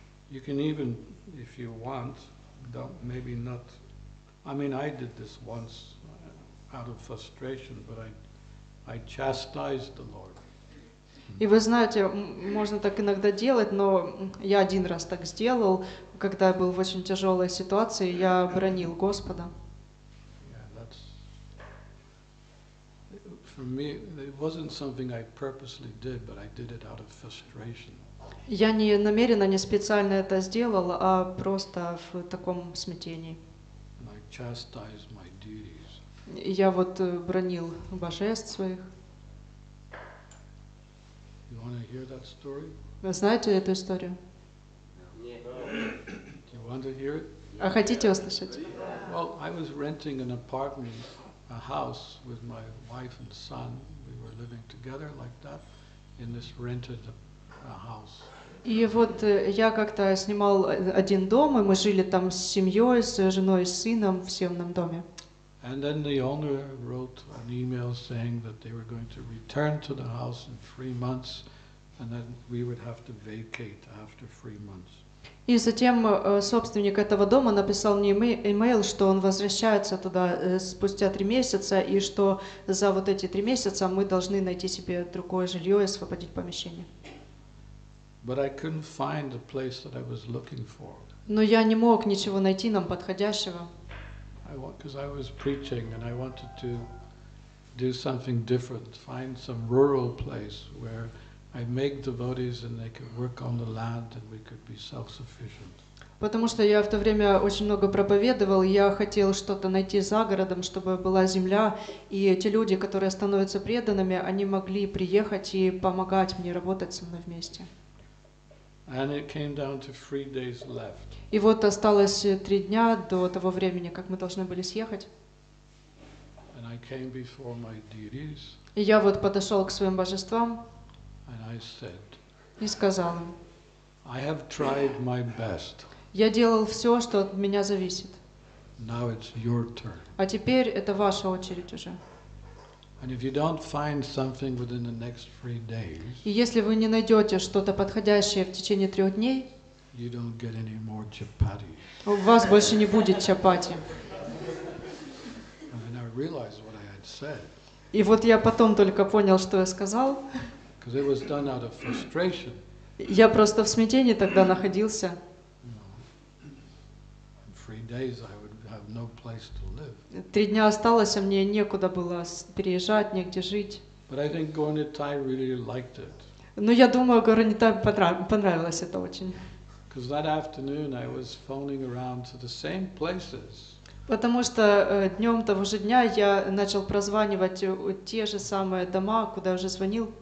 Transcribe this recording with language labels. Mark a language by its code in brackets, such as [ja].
[en] You can even, if you want, maybe not. I mean, I did this once out of frustration, but I chastised the Lord. [ru] И вы знаете, можно так иногда делать, но я один раз так сделал, когда я был в очень тяжелой ситуации, я бронил Господа. [en] Yeah, that's for me, it wasn't something I purposely did, but I did it out of frustration. [ru] Я не намеренно, не специально это сделал, а просто в таком смятении. [en] And I chastised my duties. [ru] Я вот бронил божеств своих. [en] You want to hear that story? [ru] Вы знаете эту историю? [en] Do you want to hear it? [ru] А хотите услышать? [en] Well, I was renting an apartment, a house with my wife and son. We were living together like that in this rented house. [ru] И вот я как-то снимал один дом, и мы жили там с семьей, с женой, с сыном, в съемном доме. [en] And then the owner wrote an email saying that they were going to return to the house in 3 months, and then we would have to vacate after 3 months. [ru] И затем собственник этого дома написал мне email, что он возвращается туда спустя 3 месяца, и что за вот эти 3 месяца мы должны найти себе другое жилье и освободить помещение. [en] But I couldn't find the place that I was looking for. [ru] Но я не мог ничего найти нам подходящего. [en] Because I was preaching and I wanted to do something different, find some rural place where I make devotees and they could work on the land and we could be self-sufficient. [ru] Потому что я в то время очень много проповедовал, я хотел что-то найти за городом, чтобы была земля, и эти люди, которые становятся преданными, они могли приехать и помогать мне работать со мной вместе. [en] And it came down to 3 days left. [ru] И вот осталось 3 дня до того времени, как мы должны были съехать. [en] And I came before my deities. [ru] И я вот подошел к своим божествам. [en] And I said. [ru] И сказал им. [en] I have tried my best. [ru] Я делал все, что от меня зависит. [en] Now it's your turn. [ru] А теперь это ваша очередь уже. [en] And if you don't find something within the next 3 days, [ru] и если вы не найдете что-то подходящее в течение 3 дней, [en] you don't get any more chapati. [ru] У вас больше не будет чапати. [en] And then I realized what I had said. [ru] И вот я потом только понял, что я сказал. [en] Because it was done out of frustration. [ru] Я просто в смятении тогда находился. [en] In 3 days, I would have no place to live. [ru] 3 дня осталось, а мне некуда было переезжать, негде жить. [en] But I think Gornitai really liked it. [ru] Но я думаю, Горнитай понравилось это очень. [en] Because that afternoon I was phoning around to the same places. [ru] Потому что днем того же дня я начал прозванивать те же самые дома, куда уже звонил.